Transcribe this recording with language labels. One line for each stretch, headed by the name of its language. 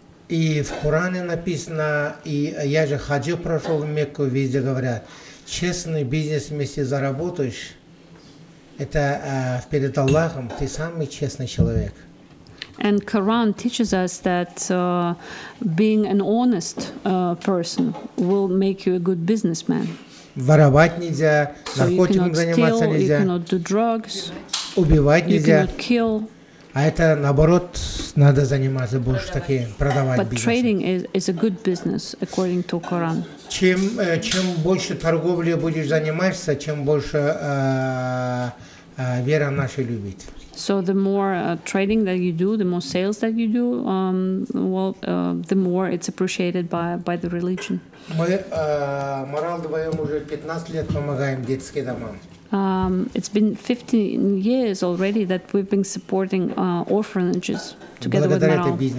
Russian: И в Коране написано, и я же ходил, прошел в Мекку, везде говорят, честный бизнес вместе заработаешь. Это перед Аллахом ты самый честный человек.
English: And Quran teaches us that being an honest person will make you a good businessman.
Russian: Воровать нельзя, наркотиками заниматься нельзя.
English: You cannot do drugs.
Russian: Убивать нельзя.
English: You cannot kill.
Russian: А это наоборот надо заниматься больше такие продавать бизнес.
English: But trading is a good business according to Quran.
Russian: Чем больше торговли будешь заниматься, чем больше вера наша любит.
English: So the more trading that you do, the more sales that you do, the more it's appreciated by the religion.
Russian: Мы Марал вдвоем уже 15 лет помогаем детским домам.
English: It's been 15 years already that we've been supporting orphanages together with Marl.